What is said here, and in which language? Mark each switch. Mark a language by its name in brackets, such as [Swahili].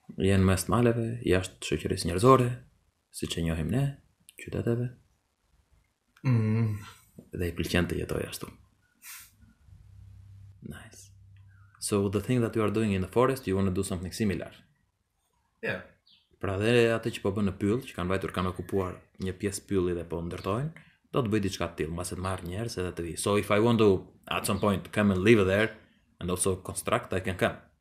[Albanian] janë mes maleve, jashtë shoqërisë njerëzore, siç e njohim ne, qyteteve. Dhe I pëlqen të jetoj ashtu. [English] Nice. So the thing that you are doing in the forest, you want to do something similar. Yeah. [Albanian] Pra dhe atë që po bën në pyll, që kanë vajtur, kanë okupuar një pjesë pylli dhe po ndërtojnë, do të bëj diçka të tillë, mbas të marr njerëz edhe të vi. [English] So if I want to at some point come and live there and also construct, I can come.